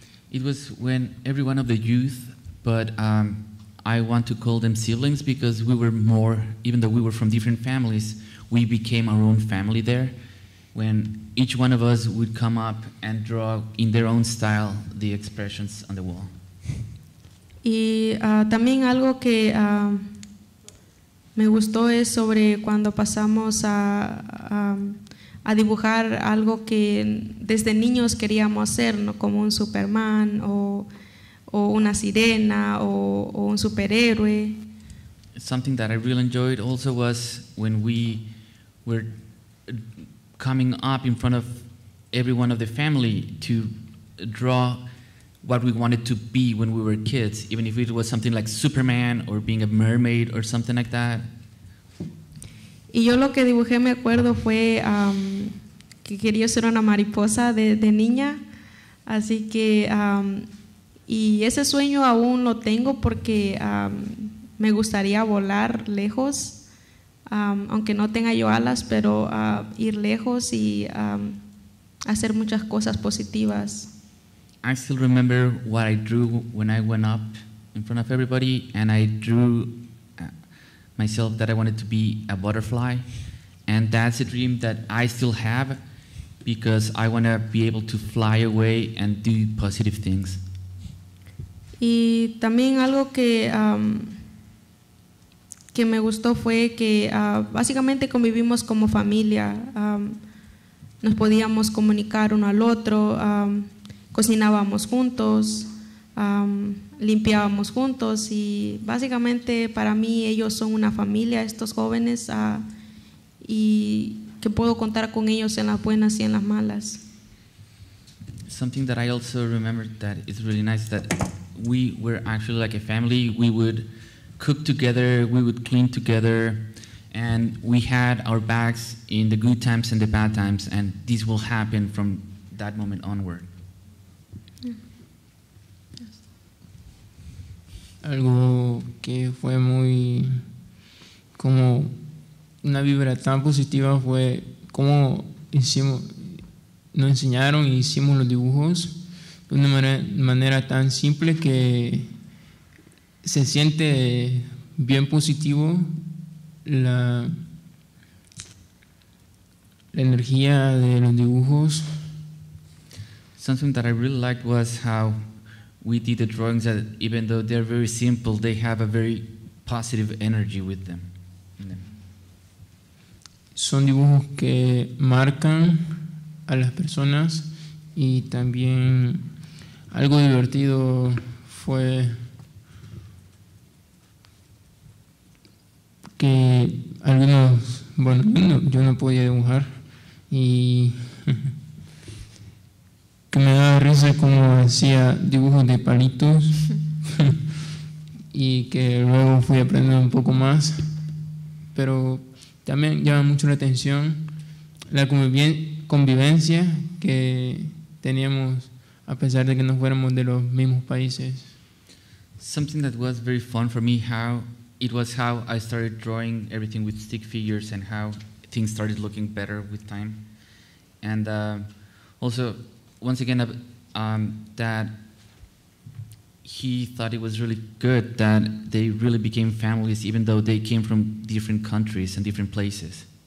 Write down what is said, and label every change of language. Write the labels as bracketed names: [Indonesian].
[English] It was when every one of the youth, but I want to call them siblings because we were more, even though we were from different families, we became our own family there. When each one of us would come up and draw in their own style the expressions on the wall. [Spanish] Y también algo que me gustó es sobre cuando pasamos a dibujar algo que desde niños queríamos hacer, ¿no? Como un Superman o una sirena o un superhéroe. [English] Something that I really enjoyed also was when we were coming up in front of every one of the family to draw what we wanted to be when we were kids, even if it was something like Superman or being a mermaid or something like that. [Spanish] Y yo lo que dibujé, me acuerdo, fue que quería ser una mariposa de niña. Así que, y ese sueño aún lo tengo porque me gustaría volar lejos, aunque no tenga yo alas, pero ir lejos y hacer muchas cosas positivas. [English] I still remember what I drew when I went up in front of everybody, and I drew myself that I wanted to be a butterfly, and that's a dream that I still have because I want to be able to fly away and do positive things. [Spanish] Y también algo que me gustó fue que básicamente convivimos como familia. Nos podíamos comunicar uno al otro. Cocinábamos juntos, limpiábamos juntos, y básicamente para mí ellos son una familia, estos jóvenes, y que puedo contar con ellos en las buenas y en las malas. [English] Something that I also remember that is really nice, that we were actually like a family. We would cook together, we would clean together, and we had our backs in the good times and the bad times, and this will happen from that moment onward. [Spanish] Algo que fue muy como una vibra tan positiva fue cómo nos enseñaron y hicimos los dibujos de una manera tan simple que se siente bien positivo la energía de los dibujos. [English] Something that I really liked was how we did the drawings that, even though they're very simple, they have a very positive energy with them. [Spanish] Son dibujos que marcan a las personas, y también algo divertido fue que algunos, bueno, yo no podía dibujar, y que me daba risa como hacía dibujos de palitos y que luego fui aprendiendo un poco más, pero también llama mucho la atención la convivencia que teníamos a pesar de que no fuéramos de los mismos países. [English] Something that was very fun for me, how it was how I started drawing everything with stick figures and how things started looking better with time, and also once again, that he thought it was really good that they really became families, even though they came from different countries and different places.